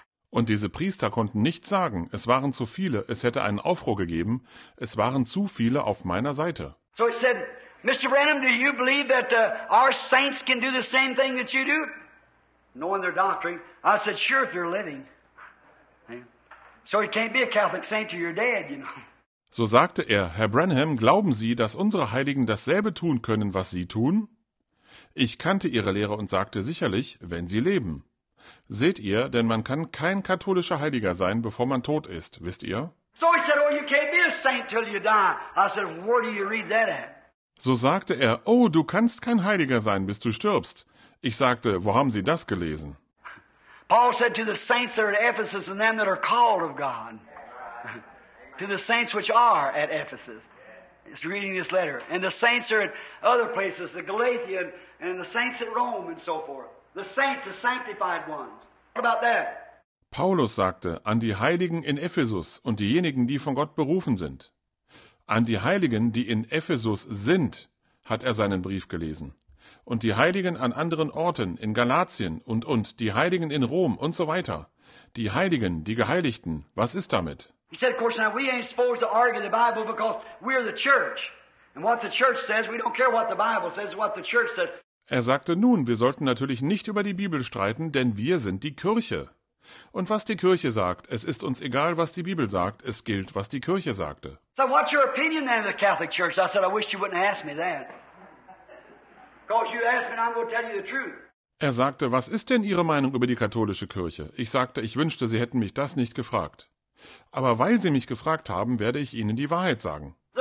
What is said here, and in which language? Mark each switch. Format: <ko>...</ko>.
<de>Und diese Priester konnten nicht sagen, es waren zu viele, es hätte einen Aufruhr gegeben, es waren zu viele auf meiner Seite. So ich sagte, Mr.</de> <en>Branham, do you believe that our saints can do the same thing that you do? Knowing their doctrine. I said, sure, if you're living. Yeah. So you can't be a Catholic saint till you're dead, you know.</en> <de>So sagte er, Herr Branham, glauben Sie, dass unsere Heiligen dasselbe tun können, was Sie tun? Ich kannte Ihre Lehre und sagte, sicherlich, wenn Sie leben. Seht ihr, denn man kann kein katholischer Heiliger sein, bevor man tot ist, wisst ihr?</de> <en>So he said, oh, you can't be a saint till you die. I said, where do you read that at?</en> <de>So sagte er, oh, du kannst kein Heiliger sein, bis du stirbst. Ich sagte, wo haben Sie das gelesen?</de> <en>Paul said to the saints that are at Ephesus and them that are called of God. To the saints which are at Ephesus. He's reading this letter. And the saints are at other places, the Galatians and the saints at Rome and so forth. The saints, the sanctified ones. What about that?</en> <de>Paulus sagte, an die Heiligen in Ephesus und diejenigen, die von Gott berufen sind. An die Heiligen, die in Ephesus sind, hat er seinen Brief gelesen. Und die Heiligen an anderen Orten, in Galatien und die Heiligen in Rom und so weiter. Die Heiligen, die Geheiligten, was ist damit?</de> <en>He said, of course, now we ain't supposed to argue the Bible because we're the church. And what the church says, we don't care what the Bible says, what the church says.</en> <de>Er sagte, nun, wir sollten natürlich nicht über die Bibel streiten, denn wir sind die Kirche. Und was die Kirche sagt, es ist uns egal, was die Bibel sagt, es gilt, was die Kirche sagte.</de> <en>So what's your opinion then of the Catholic Church? I said, I wish you wouldn't ask me that. Because you ask me and I'm going to tell you the truth.</en> <de>Er sagte, was ist denn Ihre Meinung über die katholische Kirche? Ich sagte, ich wünschte, Sie hätten mich das nicht gefragt. Aber weil Sie mich gefragt haben, werde ich Ihnen die Wahrheit sagen.</de>